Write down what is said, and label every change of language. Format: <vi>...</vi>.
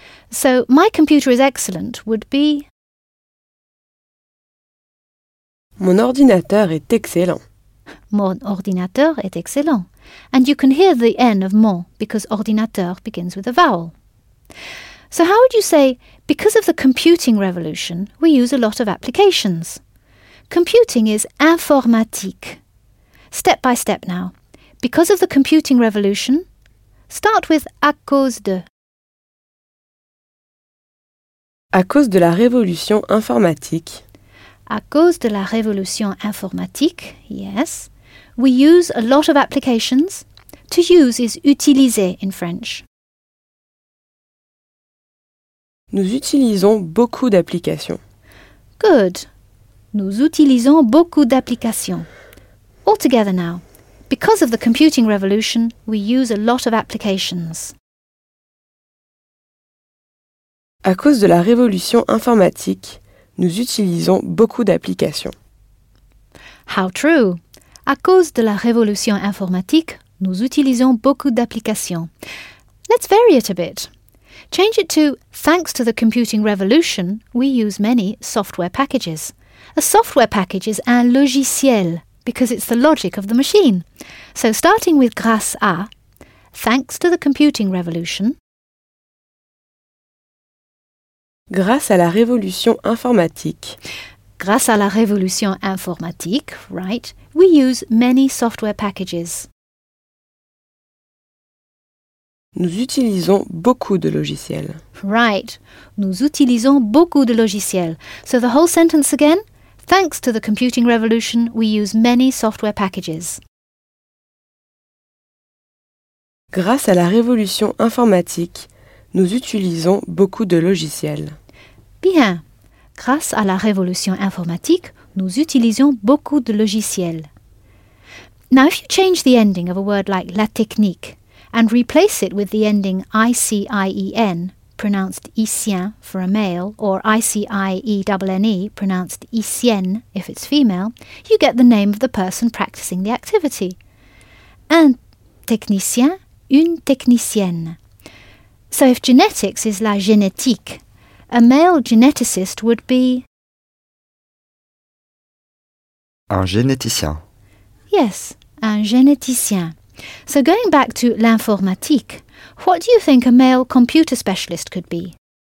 <en>So, my computer is excellent would be...</en> <fr>Mon ordinateur est excellent. Mon ordinateur est excellent.</fr> <en>And you can hear the N of mon because ordinateur begins with a vowel. So how would you say, because of the computing revolution, we use a lot of applications? Computing is informatique. Step by step now. Because of the computing revolution, start with</en> <fr>à cause de. À cause de la révolution informatique. À cause de la révolution informatique, yes.</fr> <en>We use a lot of applications. To use is utiliser in French.</en> <fr>Nous utilisons beaucoup d'applications.</fr> <en>Good.</en> <fr>Nous utilisons beaucoup d'applications.</fr> <en>All together now. Because of the computing revolution, we use a lot of applications.</en> <fr>À cause de la révolution informatique, nous utilisons beaucoup d'applications.</fr> <en>How true!</en> <fr>À cause de la révolution informatique, nous utilisons beaucoup d'applications.</fr> <en>Let's vary it a bit. Change it to, thanks to the computing revolution, we use many software packages. A software package is un logiciel, because it's the logic of the machine. So starting with</en> <fr>grâce à,</fr> <en>thanks to the computing revolution,</en> <fr>grâce à la révolution informatique. Grâce à la révolution informatique,</fr> <en>right, we use many software packages.</en> <fr>Nous utilisons beaucoup de logiciels. Right, nous utilisons beaucoup de logiciels.</fr> <en>So the whole sentence again? Thanks to the computing revolution, we use many software packages.</en> <fr>Grâce à la révolution informatique, nous utilisons beaucoup de logiciels. Bien. Grâce à la révolution informatique, nous utilisons beaucoup de logiciels.</fr> <en>Now, if you change the ending of a word like la technique and replace it with the ending I-C-I-E-N, pronounced Icien for a male, or I-C-I-E-N-N-E, pronounced Icienne if it's female, you get the name of the person practicing the activity.</en> <fr>Un technicien, une technicienne.</fr> <en>So if genetics is la génétique, a male geneticist would be...</en> <fr>Un généticien. Yes, un généticien.</fr> <en>So going back to l'informatique, what do you think a male computer specialist could be?</en>